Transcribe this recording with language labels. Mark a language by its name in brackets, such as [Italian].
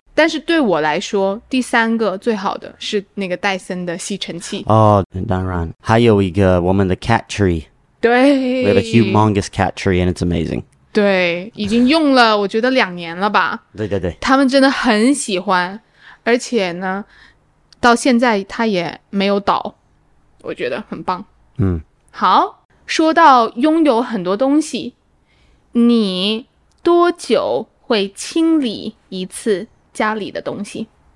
[Chinese] 但是对我来说第三个最好的是那个戴森的吸尘器。哦、oh, 当然。还有一个我们的 cat tree。对。 [English] We have a humongous cat tree and it's amazing. [Chinese] 对。已经用了我觉得2年了吧。对对对。他们真的很喜欢。而且呢到现在它也没有倒。我觉得很棒。嗯。好。说到拥有很多东西你多久会清理一次家里的东西